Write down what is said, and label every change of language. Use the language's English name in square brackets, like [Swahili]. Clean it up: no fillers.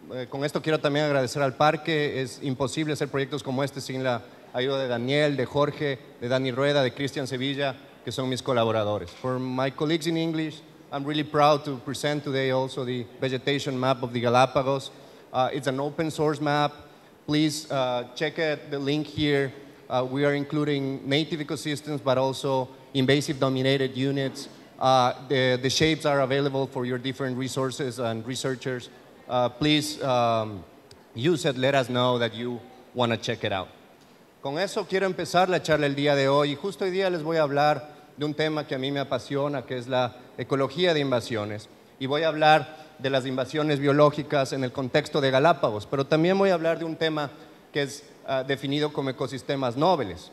[Spanish] Con esto quiero también agradecer al parque. Es imposible hacer proyectos como este sin la ayuda de Daniel, de Jorge, de Dani Rueda, de Cristian Sevilla, que son mis colaboradores. [English] For my colleagues in English, I'm really proud to present today also the vegetation map of the Galapagos. It's an open source map. Please check out the link here. We are including native ecosystems, but also invasive dominated units. The shapes are available for your different resources and researchers. Please use it, let us know that you want to check it out. [Spanish] Con eso quiero empezar la charla el día de hoy. Justo hoy día les voy a hablar de un tema que a mí me apasiona, que es la ecología de invasiones. Y voy a hablar de las invasiones biológicas en el contexto de Galápagos, pero también voy a hablar de un tema que es definido como ecosistemas nobles.